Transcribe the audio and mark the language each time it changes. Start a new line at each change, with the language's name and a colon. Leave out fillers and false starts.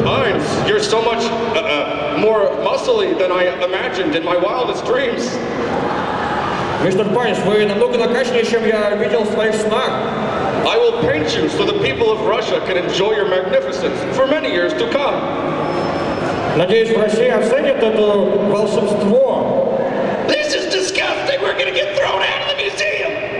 English: Pines, you're so much more muscly than I imagined in my wildest dreams. Mr.
Russian: Pines, вы намного накачнее, чем я видел в своих снах.
English: I will paint you so the people of Russia can enjoy your magnificence for many years to come.
Russian: Надеюсь, Россия оценит это волшебство.
English: This is disgusting! We're gonna get thrown out of the museum!